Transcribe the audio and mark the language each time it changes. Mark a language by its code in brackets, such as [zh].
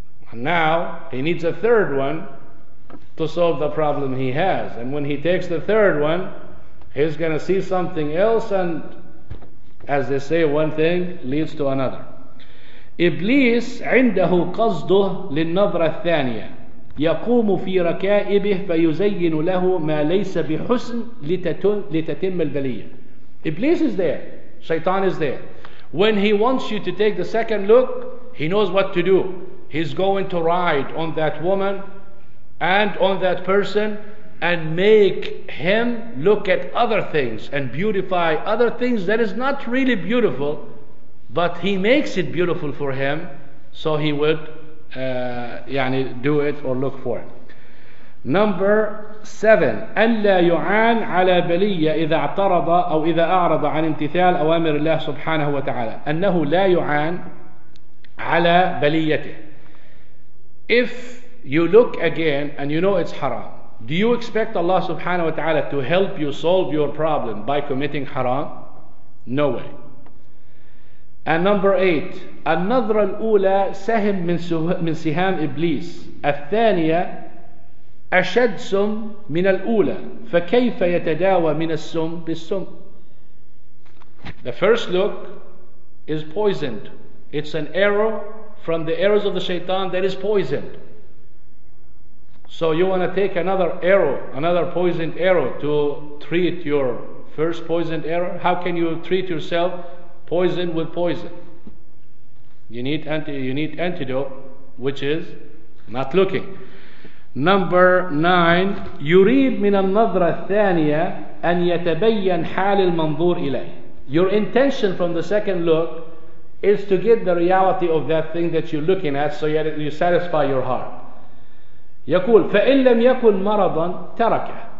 [en] And now he needs a third one to solve the problem he has. And when he takes the third one, he's going to see something else, and as they say, one thing leads to another. [ar] إبليس عنده قصده للنظرة الثانية يقوم في ركائبه فيزين له ما ليس بحسن لتتم البلية. [en] إبليس is there. Shaitan is there. When he wants you to take the second look, he knows what to do. He's going to ride on that woman and on that person and make him look at other things and beautify other things that is not really beautiful, but he makes it beautiful for him, so he would do it or look for it. Number 7, [ar] أن لا يعان على بلية إذا اعترض أو إذا أعرض عن امتثال أوامر الله سبحانه وتعالى. أنه لا يعان على بليته. [en] If you look again and you know it's haram, do you expect Allah subhanahu wa ta'ala to help you solve your problem by committing haram? No way. And number 8, [ar] النظرة الأولى سهم من سهام إبليس الثانية أشد سم من الأولى فكيف يتداوى من السم بالسم. [en] The first look is poisoned. It's an arrow from the arrows of the shaitan that is poisoned. So you want to take another arrow, another poisoned arrow, to treat your first poisoned arrow? How can you treat yourself poison with poison? You need antidote, which is not looking. Number 9, [ar] يريد من النظرة الثانية أن يتبين حال المنظور إليه. [en] Your intention from the second look is to get the reality of that thing that you're looking at, so you satisfy your heart. [ar] يقول فإن لم يكن مرضا تركه.